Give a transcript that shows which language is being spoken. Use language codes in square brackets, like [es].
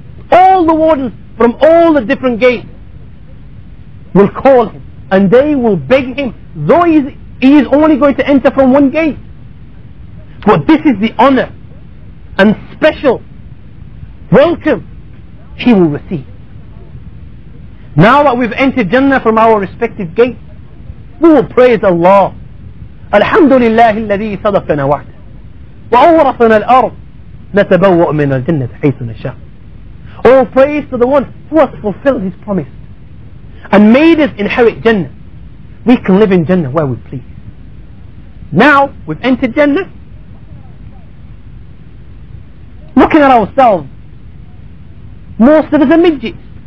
[en] All the wardens from all the different gates will call him and they will beg him, though he is only going to enter from one gate. But this is the honor and special welcome he will receive. Now that we've entered Jannah from our respective gates, we will praise Allah. [ar] Alhamdulillah الذي صدقنا وعده وأورثنا الأرض نتبوأ من الجنة حيث نشاء. [en] All praise to the one who has fulfilled his promise and made us inherit Jannah. We can live in Jannah where we please. Now we've entered Jannah, looking at ourselves, most of us are midgets.